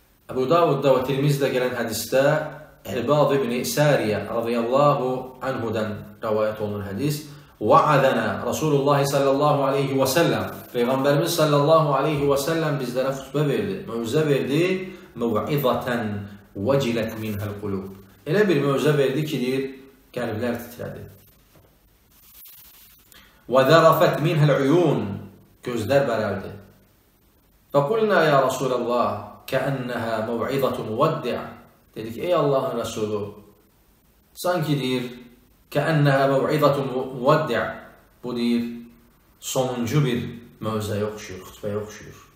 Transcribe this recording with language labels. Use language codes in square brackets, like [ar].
[az] Əbu Davud da və Tirmizdə gələn hədistə Ərbaz ibn İsəriyə radiyallahu anhudan rəvayət olunur hədis: [ar] "Vaədənə Rasulullah sallallahu aleyhi və səlləm" [az] Peyğəmbərimiz sallallahu aleyhi və səlləm bizlərə xutbə verdi, mövzə verdi: [ar] "Məvizətən vəcilət minhəl qulub" [az] Elə bir mövzə verdi ki, deyir, qəlblər titrədi. [ar] وَذَرَفَتْ مِنْهَ الْعُيُونَ [az] Gözlər bərəldi. [ar] فَقُلْنَا يَا رَسُولَ اللّٰهِ كَأَنَّهَا مَوْعِظَةٌ مُوَدِّعَ [az] Dedik, ey Allahın Rəsulu, sanki deyir, [ar] كَأَنَّهَا مَوْعِظَةٌ مُوَدِّعَ [az] Bu deyir, sonuncu bir mövzə yoxşuyur, xutbə yoxşuyur.